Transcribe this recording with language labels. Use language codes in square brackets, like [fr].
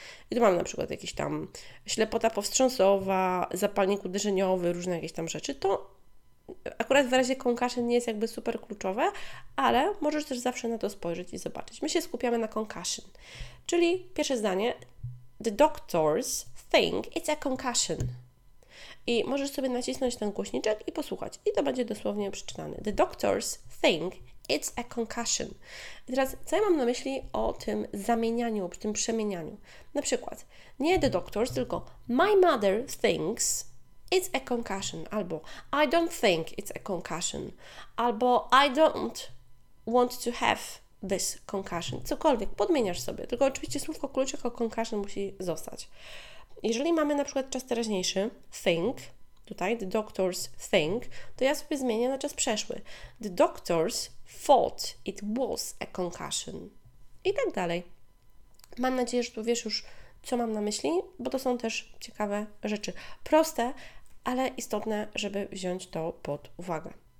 [pl] I tu mamy na przykład jakieś tam ślepota powstrząsowa, zapalnik uderzeniowy, różne jakieś tam rzeczy, to akurat w razie concussion nie jest jakby super kluczowe, ale możesz też zawsze na to spojrzeć i zobaczyć. My się skupiamy na concussion. Czyli pierwsze zdanie: [en] the doctors think it's a concussion. [pl] I możesz sobie nacisnąć ten głośniczek i posłuchać. I to będzie dosłownie przeczytane. [en] The doctors think it's a concussion. [pl] I teraz, co ja mam na myśli o tym zamienianiu, o tym przemienianiu? Na przykład, nie [en] the doctors, [pl] tylko [en] my mother thinks it's a concussion, [pl] albo [en] I don't think it's a concussion, [pl] albo [en] I don't want to have this concussion. [pl] Cokolwiek, podmieniasz sobie, tylko oczywiście słówko klucz jako concussion musi zostać. Jeżeli mamy na przykład czas teraźniejszy, think, tutaj [en] the doctors think, [pl] to ja sobie zmienię na czas przeszły. [en] The doctors thought it was a concussion. [pl] I tak dalej. Mam nadzieję, że tu wiesz już, co mam na myśli, bo to są też ciekawe rzeczy. Proste, ale istotne, żeby wziąć to pod uwagę. Okay.